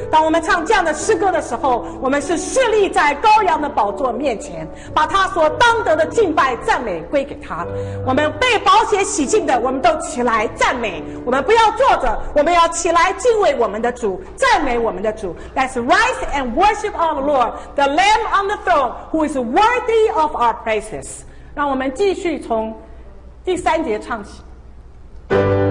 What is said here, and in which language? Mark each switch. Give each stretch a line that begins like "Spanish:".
Chinese: 当我们唱这样的诗歌的时候，我们是侍立在羔羊的宝座面前，把他所当得的敬拜赞美归给他。我们被宝血洗净的，我们都起来赞美，我们不要坐着，我们要起来敬畏我们的主，赞美我们的主。
English: Let's rise and worship our Lord, the Lamb on the throne, who is worthy of our praises.
Chinese: 让我们继续从第三节唱起。